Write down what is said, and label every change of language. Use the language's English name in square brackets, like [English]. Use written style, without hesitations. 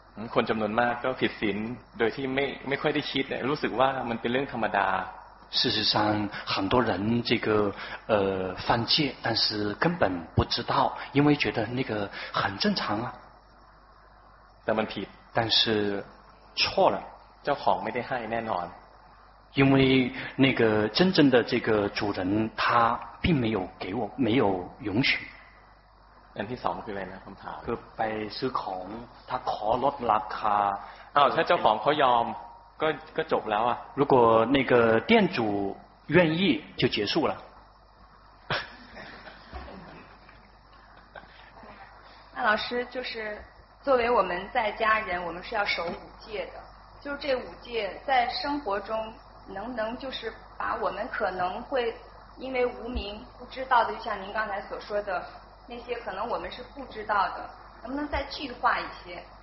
[Thai] คนจำนวนมากก็ผิดศีลโดยที่ไม่ค่อยได้คิดเลยรู้สึกว่ามันเป็นเรื่องธรรมดา。 [Chinese] 事实上很多人这个犯戒但是根本不知道因为觉得那个很正常啊。 [Thai] แต่มันผิด。 [Chinese] 但是错了。 [Thai] เจ้าของไม่ได้ให้แน่นอน [Chinese] 因为那个真正的这个主人他并没有给我没有允许 [Thai] อันที่สองคืออะไรนะคำถาม คือไปซื้อของถ้าขอลดราคา อ้าวถ้าเจ้าของเขายอมก็จบแล้วอ่ะ [Chinese] 如果那个店主愿意就结束了那老师就是作为我们在家人我们是要守五戒的就是这五戒在生活中能就是把我们可能会因为无明不知道的就像您刚才所说的那些可能我们是不知道的能不能再具化一些